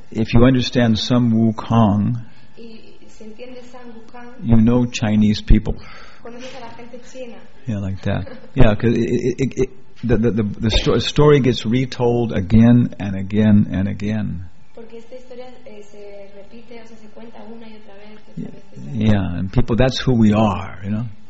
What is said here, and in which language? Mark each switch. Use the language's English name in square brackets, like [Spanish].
[English] if you understand some Wukong, [Spanish] y se entiende San Wukong, [English] you know Chinese people. [Spanish] Conoces a la gente china. [English] Yeah, like that. Yeah, because the story gets retold again and again and again. [Spanish] Porque esta historia se repite, o sea, se cuenta una y otra vez. [English] And people, that's who we are, you know.